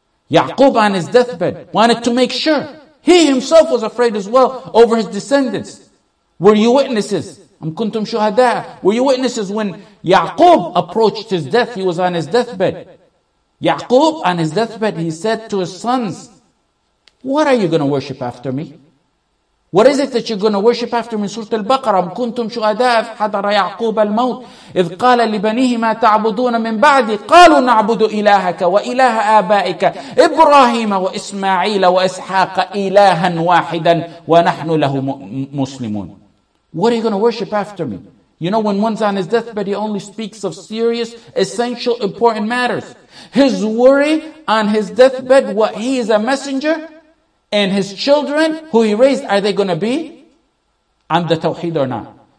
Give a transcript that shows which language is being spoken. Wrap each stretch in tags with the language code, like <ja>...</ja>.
<en>Yaqub on his deathbed wanted to make sure. He himself was afraid as well over his descendants. Were you witnesses?</en> <ar>Am kuntum shuhada?</ar> <en>Were you witnesses when Ya'qub approached his death. He was on his deathbed. Ya'qub, on his deathbed, he said to his sons, what are you going to worship after me? What is it that you're going to worship after me?</en> <ar>Surah Al-Baqarah, كُنْتُمْ شُهَدَاءَ حَضَرَ يَعْقُوبَ الْمَوْتِ إِذْ قَالَ لِبَنِيهِ مَا تَعْبُدُونَ مِنْ بَعْدِي قَالُوا نَعْبُدُ إِلَهَكَ وَإِلَهَ آبَائِكَ إِبْرَاهِيمَ وَإِسْمَاعِيلَ وَإِسْحَاقَ إِلَهًا وَاحِدًا وَنَحْنُ لَهُ مُسْلِمُونَ.</ar> <en>What are you going to worship after me? You know, when one's on his deathbed, he only speaks of serious, essential, important matters. His worry on his deathbed, what he is a messenger, and his children, who he raised, are they going to be on the Tawheed or not?</en>